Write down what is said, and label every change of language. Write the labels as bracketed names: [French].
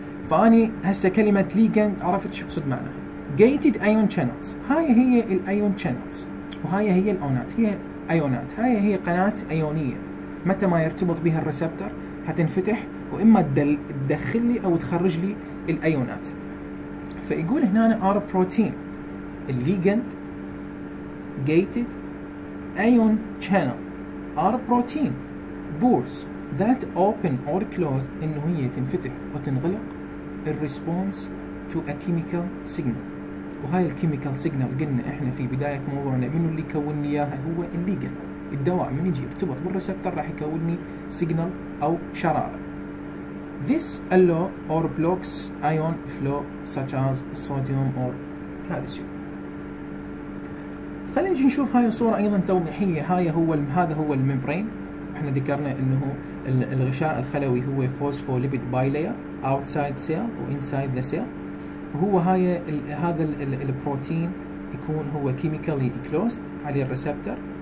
[Arabic] فأني هسه كلمة ليجن عرفت شو أقصد معناها. جيتيد أيون شانلز، هاي هي الأيون شانلز وهاي هي الأونات، هي أيونات، هاي هي قناة أيونية متى ما يرتبط بها الريسبتر هتنفتح، وإما تدخل لي أو تخرج لي الأيونات. فيقول هنا [English] R protein ligand gated ion channel R protein pores that open or closed، [Arabic] إنه هي تنفتح وتنغلق [English] in response to a chemical signal. [Arabic] وهاي الكيميكال سيجنال قلنا إحنا في بداية موضوعنا منو اللي كون إياها، هو الليجند. الدواء من يجي يرتبط بالريسبتر راح يكونني سيجنال أو شرارة. [English] This allow or blocks ion flow such as sodium or calcium. [Arabic] خلينا نجي نشوف هاي الصورة أيضا توضيحية. هذا هو الممبرين. إحنا ذكرنا إنه الغشاء الخلوي هو [English] phospholipid bilayer outside cell [Arabic] و [English] inside the cell. [Arabic] هو هاي هذا البروتين يكون هو [English] chemically closed [Arabic] على الريسبتر.